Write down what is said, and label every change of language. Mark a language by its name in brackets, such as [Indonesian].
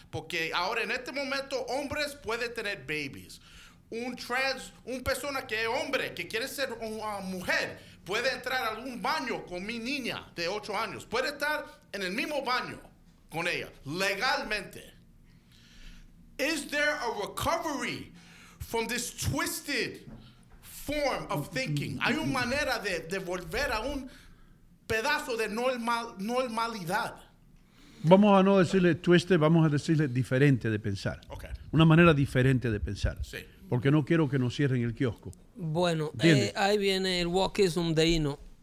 [Spanish] Porque ahora en este momento hombres pueden tener babies. Un trans, un persona que es hombre, que quiere ser una mujer, puede entrar a un baño con mi niña de 8 años. Puede estar en el mismo baño con ella, legalmente. [English] Is there a recovery from this twisted form of thinking? [Spanish] Hay una manera de volver a un pedazo de normalidad. Vamos a no decirle twisted, vamos a decirle diferente de pensar. Okay. Una manera diferente de pensar. Sí. Porque no quiero que nos cierren el kiosco. Bueno, ahí viene el wokeism de Hino.